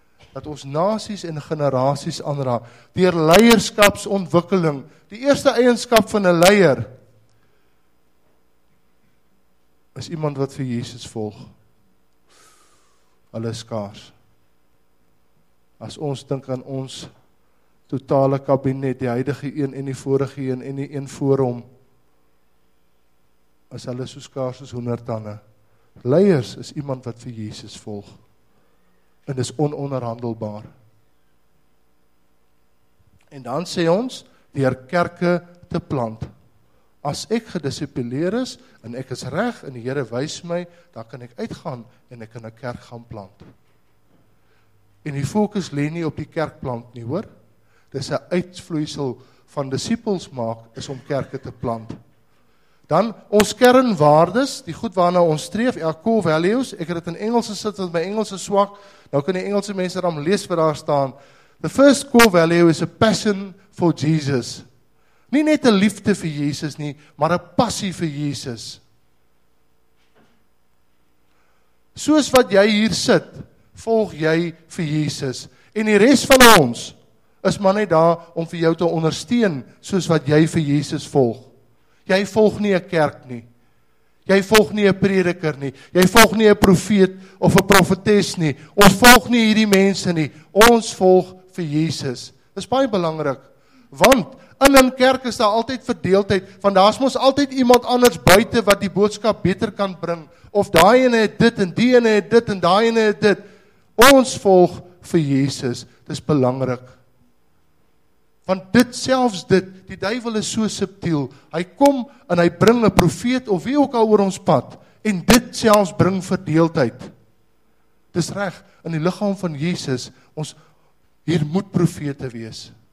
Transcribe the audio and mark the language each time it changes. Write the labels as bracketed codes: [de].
[af] Dat ons nasies en generasies aanraak, deur leierskapsontwikkeling, die eerste eienskap van 'n leier, is iemand wat vir Jesus volg. Hulle is skaars. As ons dink aan ons totale kabinet, die huidige een en die vorige een en die een voor hom, is hulle so skaars as honderdtande. Leiers is iemand wat vir Jesus volg. En is ononderhandelbaar. En dan sê ons, deur kerke te plant. As ek gedissiplineer is, en ek is reg, en die Here wys my, dan kan ek uitgaan, en ek kan 'n kerk gaan plant. En die fokus lê nie op die kerkplant nie, hoor. Dis 'n uitvloeisel van disippels maak, is om kerke te plant. Dan, ons kernwaardes, die goed waarna ons streef, [en] our core values, [af] ek het dit in Engels gesit, want my Engels is swak, nou kan die Engelse mense daarom lees wat daar staan. [en] The first core value is a passion for Jesus. [af] Nie net 'n liefde vir Jesus nie, maar 'n passie vir Jesus. Soos wat jy hier sit, volg jy vir Jesus. En die res van ons is maar net daar om vir jou te ondersteun, soos wat jy vir Jesus volg. Jy volg nie 'n kerk nie. Jy volg nie 'n prediker nie. Jy volg nie 'n profeet of 'n profetes nie. Ons volg nie hierdie mense nie. Ons volg vir Jesus. Dis baie belangrik, want in een kerk is daar altyd verdeeldheid, want daar is mos altyd iemand anders buite wat die boodskap beter kan bring, of daai ene het dit, en die ene het dit, en daai ene het dit. Ons volg vir Jesus, dis belangrik. Want dit selfs dit, die duivel is so subtiel, hy kom en hy bring 'n profeet, of wie ook al oor ons pad, en dit selfs bring verdeeldheid. Dis reg, in die liggaam van Jesus, ons hier moet profete wees.